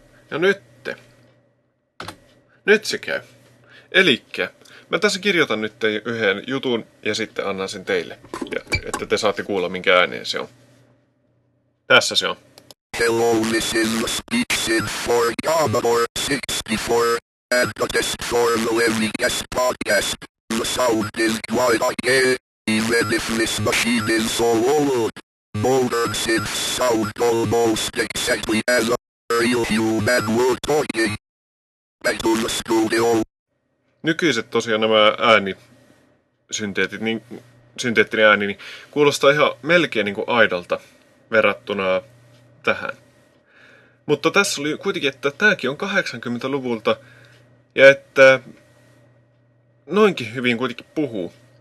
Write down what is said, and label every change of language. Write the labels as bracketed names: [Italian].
[Finnish] Ja nyt se käy. Elikkä, mä tässä kirjoitan nyt yhden jutun ja sitten annan sen teille, että te saatte kuulla minkä ääneen se on. Tässä se on. [English] Hello, this is a speech in for Commodore 64, and the test for the Lemmy Guest podcast. The sound is quite okay, even if this machine is so old. Modern synths sound almost exactly as a real human were talking. Back to the studio. [Finnish] Nykyiset tosiaan nämä synteettinen ääni, niin kuulostaa ihan melkein niin kuin aidalta verrattuna tähän. Mutta tässä oli kuitenkin, että tämäkin on 80-luvulta ja että noinkin hyvin kuitenkin puhuu.